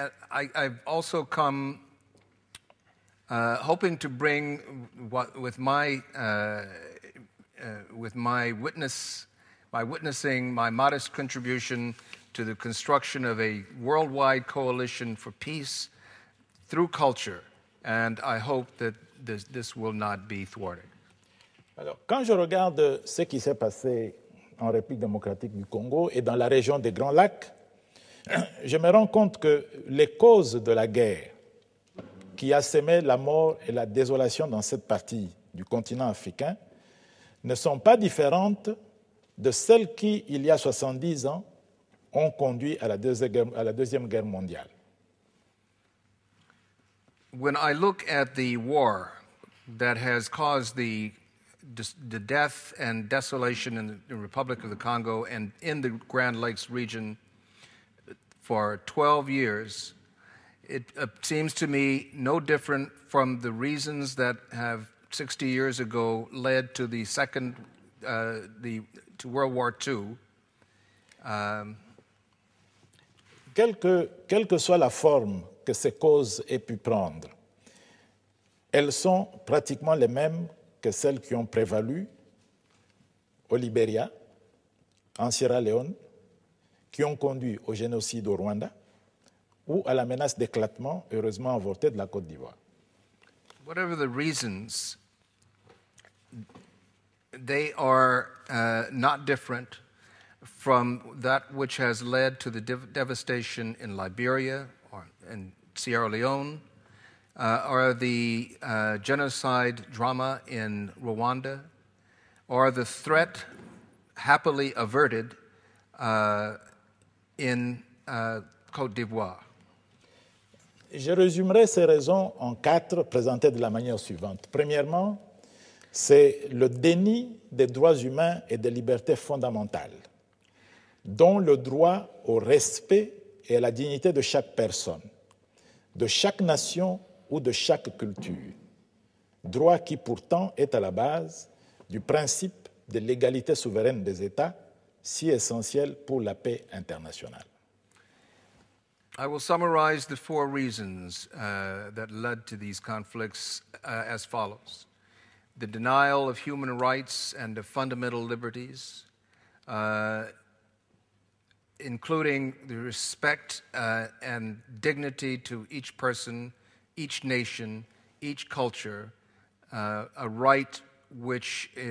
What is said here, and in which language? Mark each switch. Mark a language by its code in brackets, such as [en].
[en] I've also come hoping to bring witnessing my modest contribution to the construction of a worldwide coalition for peace through culture, and I hope that this will not be thwarted. [fr] Alors, quand je regarde ce qui s'est passé en République démocratique du Congo et dans la région des Grands Lacs, je me rends compte que les causes de la guerre qui a semé la mort et la désolation dans cette partie du continent africain ne sont pas différentes de celles qui, il y a 70 ans, ont conduit à la Deuxième Guerre mondiale. [en] When I look at the war that has caused the death and desolation in the Republic of the Congo and in the Grand Lakes region for 12 years, it seems to me no different from the reasons that have 60 years ago led to the second, to World War II. [fr] Quelle que soit la forme que ces causes aient pu prendre, elles sont pratiquement les mêmes que celles qui ont prévalu au Libéria, en Sierra Leone, qui ont conduit au génocide au Rwanda ou à la menace d'éclatement, heureusement avortée, de la Côte d'Ivoire. [en] Whatever the reasons, they are not different from that which has led to the devastation in Liberia or in Sierra Leone, or the genocide drama in Rwanda, or the threat happily averted in Côte d'Ivoire. [fr] Je résumerai ces raisons en quatre présentées de la manière suivante. Premièrement, c'est le déni des droits humains et des libertés fondamentales, dont le droit au respect et à la dignité de chaque personne, de chaque nation ou de chaque culture. Droit qui pourtant est à la base du principe de l'égalité souveraine des États, si essentiel pour la paix internationale. [en] I will summarize the four reasons that led to these conflicts as follows. The denial of human rights and of fundamental liberties, including the respect and dignity to each person, each nation, each culture, a right which